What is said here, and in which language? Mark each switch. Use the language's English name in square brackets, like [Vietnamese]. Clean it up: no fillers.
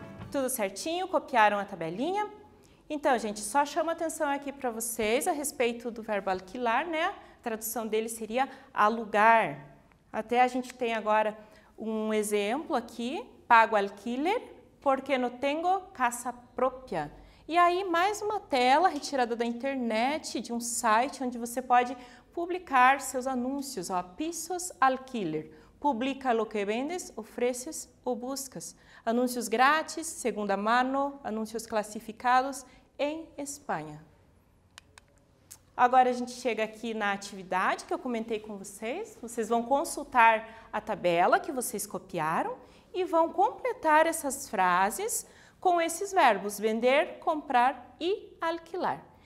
[Portuguese] Tudo certinho? Copiaram a tabelinha? Então, gente, só chamo atenção aqui para vocês a respeito do verbo alquilar, né? A tradução dele seria alugar. Até a gente tem agora um exemplo aqui. [Spanish] Pago alquiler porque no tengo casa propia. [Portuguese] E aí, mais uma tela retirada da internet, de um site onde você pode publicar seus anúncios. Ó, [Spanish] pisos alquiler. publica lo que vendes, ofreces o buscas. [Portuguese] Anúncios grátis, segunda mano, anúncios classificados em Espanha. Agora a gente chega aqui na atividade que eu comentei com vocês. Vocês vão consultar a tabela que vocês copiaram e vão completar essas frases com esses verbos: vender, comprar e alquilar.